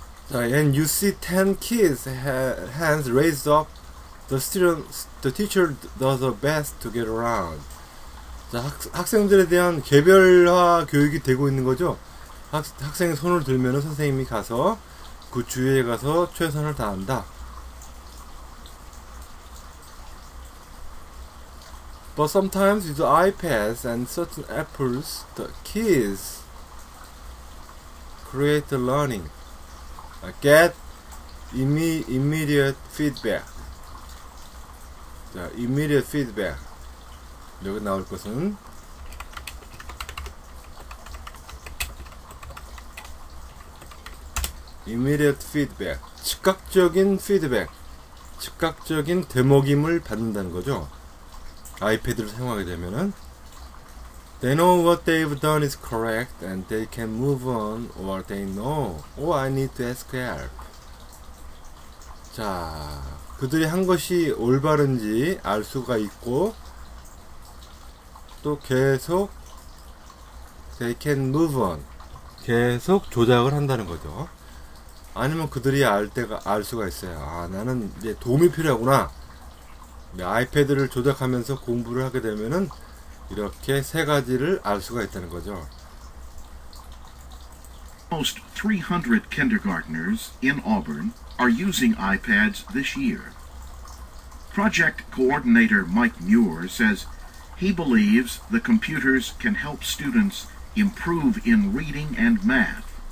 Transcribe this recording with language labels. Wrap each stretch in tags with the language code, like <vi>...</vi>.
<ko>자,</ko> <en>and you see 10 kids hands raised up. The students, the teacher does the best to get around.</en> <ko>자, 학생들에 대한 개별화 교육이 되고 있는 거죠. 학생이 손을 들면은 선생님이 가서 그 주위에 가서 최선을 다한다.</ko> <en>But sometimes with the iPads and certain apples, the kids create the learning. Get immediate feedback.</en> <ko>자,</ko> <en>immediate feedback.</en> <ko>여기 나올 것은 immediate feedback. 즉각적인 feedback. 즉각적인 대목임을 받는다는 거죠. 아이패드를 사용하게 되면은</ko> <en>They know what they've done is correct and they can move on or they know Oh, I need to ask help.</en> <ko>자, 그들이 한 것이 올바른지 알 수가 있고 또 계속</ko> <en>They can move on.</en> <ko>계속 조작을 한다는 거죠. 아니면 그들이 알 때가 알 수가 있어요. 아, 나는 이제 도움이 필요하구나. 아이패드를 조작하면서 공부를 하게 되면은 이렇게 세 가지를 알 수가 있다는 거죠.</ko> <en>Almost 300 kindergartners in Auburn are using iPads this year. Project coordinator Mike Muir says he believes the computers can help students improve in reading and math.</en>